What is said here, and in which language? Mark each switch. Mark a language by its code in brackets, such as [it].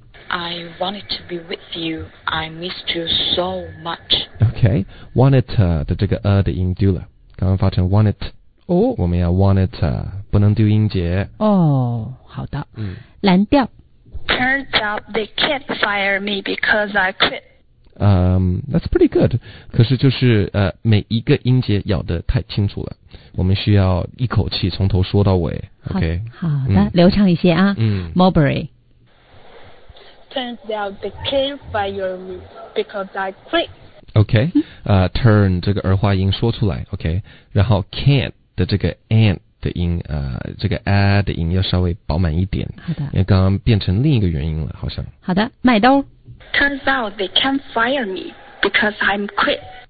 [en] I wanted to be with you. I missed you so much. [zh] Okay, wanted to 的这个 的音丢了，刚刚发成 wanted。我们要 wanted to， 不能丢音节。好的。蓝调。 [en] Turns out they can't fire me because I quit. That's pretty good. [zh] 可是就是每一个音节咬得太清楚了，我们需要一口气从头说到尾。 OK，好的，流畅一些啊。Mulberry. [en] Turns out they can't fire me because I quit. [zh] OK， turn 这个儿化音说出来。OK， 然后 can't 的这个 and。的音，这个 a 的音要稍微饱满一点。好的，因为刚刚变成另一个元音了，好像。好的，麦兜。 [en] Turns out they can't fire me because I'm quit.